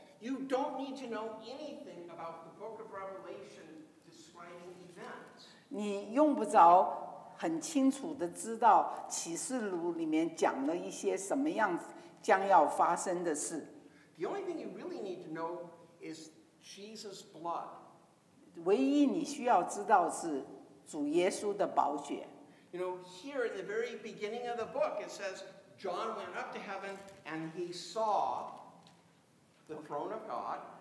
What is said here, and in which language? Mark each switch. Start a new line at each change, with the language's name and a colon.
English: You don't need to know anything about the book of Revelation describing events.
Chinese: 你用不着很清楚地知道启示录里面讲了一些什么样将要发生的事。
English: The only thing you really need to know is Jesus' blood.
Chinese: 唯一你需要知道是主耶稣的宝血。
English: You know, here in the very beginning of the book, it says John went up to heaven and he saw the throne of God.